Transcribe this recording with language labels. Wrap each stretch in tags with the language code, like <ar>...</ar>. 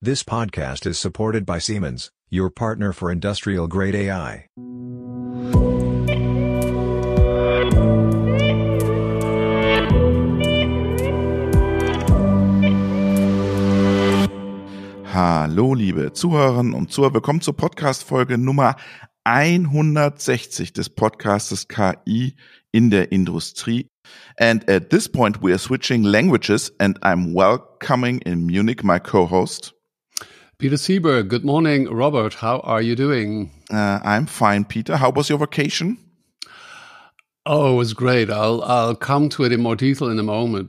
<en>This podcast is supported by Siemens, your partner for industrial-grade AI.</en> <de>Hallo liebe Zuhörerinnen und Zuhörer, willkommen zur Podcast-Folge Nummer 160 des Podcastes KI in der Industrie.</de> <en>And at this point we are switching languages and I'm welcoming in Munich my co-host. Peter Sieber, good morning. Robert, how are you doing? I'm fine, Peter. How was your vacation? Oh, it was great. I'll come to it in more detail in a moment.</en>